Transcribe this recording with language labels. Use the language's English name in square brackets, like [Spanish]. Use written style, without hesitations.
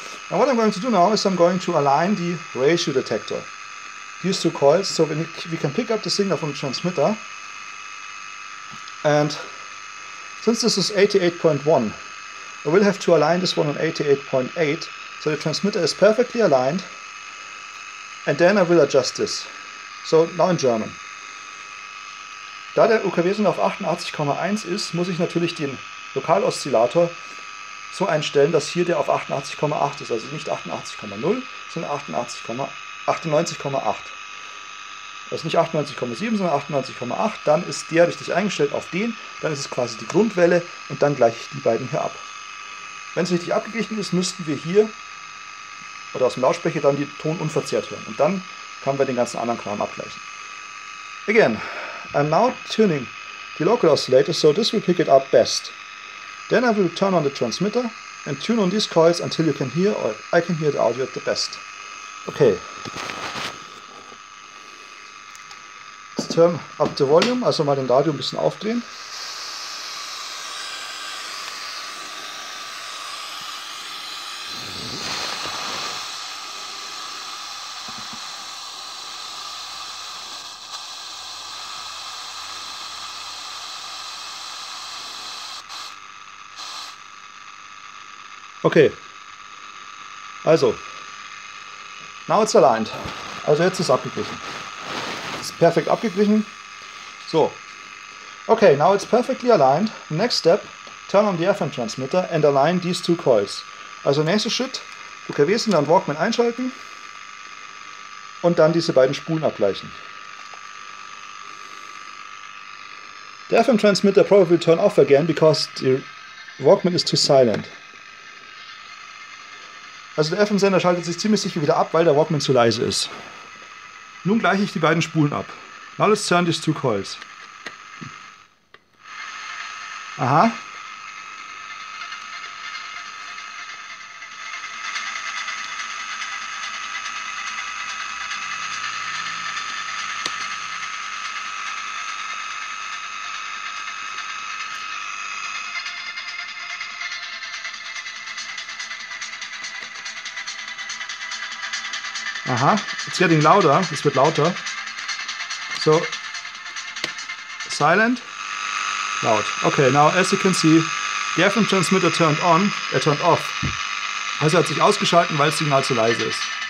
[English] And what I'm going to do now is I'm going to align the ratio detector, these two coils, so we can pick up the signal from the transmitter. And since this is 88.1, I will have to align this one on 88.8, so the transmitter is perfectly aligned, and then I will adjust this. So now in German. [German] Da der UKW-Sender auf 88,1 ist, muss ich natürlich den Lokaloszillator so einstellen, dass hier der auf 88,8 ist, also nicht 88,0, sondern 98,8. Also nicht 98,7, sondern 98,8, dann ist der richtig eingestellt auf den, dann ist es quasi die Grundwelle und dann gleiche ich die beiden hier ab. Wenn es richtig abgeglichen ist, müssten wir hier oder aus dem Lautsprecher dann den Ton unverzerrt hören und dann können wir den ganzen anderen Kram abgleichen. [English] Again, I'm now tuning the local oscillator, so this will pick it up best. Then I will turn on the transmitter and tune on these coils until you can hear or I can hear the audio at the best. Okay. Turn up the volume, [German] also mal den Radio ein bisschen aufdrehen. Okay. Also. [English] Now it's aligned. [German] Also jetzt ist abgeglichen. Perfekt abgeglichen. So. [English] Okay, now it's perfectly aligned. Next step, turn on the FM transmitter and align these two coils. [German] Also nächster Schritt, UKW-Sender und Walkman einschalten und dann diese beiden Spulen abgleichen. [English] The FM transmitter probably will turn off again because the Walkman is too silent. [German] Also der FM-Sender schaltet sich ziemlich sicher wieder ab, weil der Walkman zu leise ist. Nun gleiche ich die beiden Spulen ab. [English] Now let's turn these two coils. Aha. Aha. It's getting louder. [German] Es wird lauter. [English] So, silent, loud. Okay, now as you can see, the FM transmitter turned on, er turned off. [German] Also hat sich ausgeschalten, weil das Signal zu leise ist.